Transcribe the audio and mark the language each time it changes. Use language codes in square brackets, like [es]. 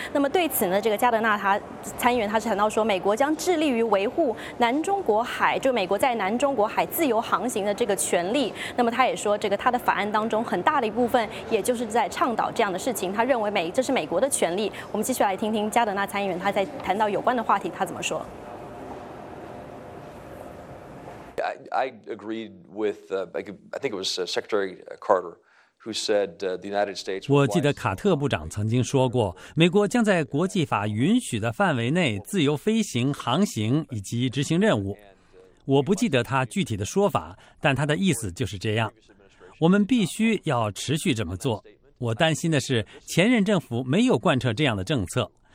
[zh] 那么对此呢，这个加德纳他参议员他是谈到说，美国将致力于维护南中国海，就美国在南中国海自由航行的这个权利。那么他也说，这个他的法案当中很大的一部分也就是在倡导这样的事情，他认为这是美国的权利。我们继续来听听加德纳参议员他在谈到有关的话题他怎么说。 [en] I agreed with, I think it was Secretary Carter who said the United States. [zh] 我记得卡特部长曾经说过，美国将在国际法允许的范围内自由飞行、航行以及执行任务。我不记得他具体的说法，但他的意思就是这样。我们必须要持续这么做。我担心的是，前任政府没有贯彻这样的政策。